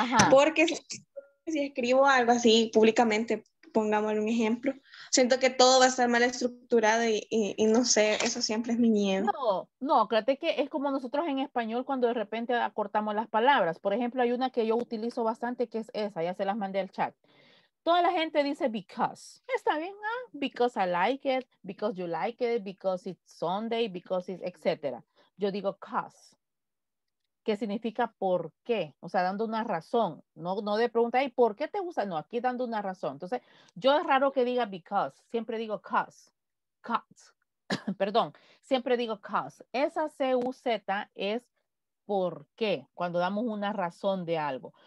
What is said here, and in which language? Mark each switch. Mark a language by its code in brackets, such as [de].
[es] Porque si escribo algo así públicamente, pongámosle un ejemplo, siento que todo va a estar mal estructurado y no sé, eso siempre es mi miedo. No, créate que es como nosotros en español cuando de repente acortamos las palabras. Por ejemplo, hay una que yo utilizo bastante que es esa, ya se las mandé al chat. Toda la gente dice because. Está bien, ¿ah? [en] Because I like it, because you like it, because it's Sunday, because it's, etc. [es] Yo digo cause, que significa por qué, o sea, dando una razón, no de pregunta, ¿y por qué te gusta? No, aquí dando una razón. Entonces, yo es raro que diga because, siempre digo cause, perdón, siempre digo cause. Esa C-U-Z es por qué, cuando damos una razón de algo.